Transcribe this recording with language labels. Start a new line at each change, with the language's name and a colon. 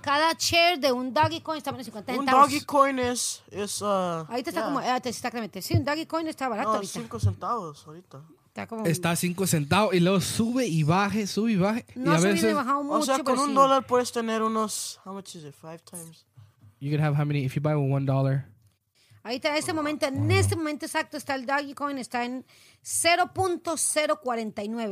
Spanish: Cada share de un Dogecoin está menos 50 centavos. Un Dogecoin es... Ahí te está como... Exactamente. Sí, un Dogecoin está barato ahorita. 5 centavos ahorita. Está a 5 centavos y luego sube y baje, sube y baje. No, y a veces, subido y bajado mucho. O sea, con un dólar puedes tener unos...
English: How much is it? 5 times. You can have how many if you buy with $1.
Spanish: Ahí está, en este momento exacto está el Dogecoin, está en 0.049.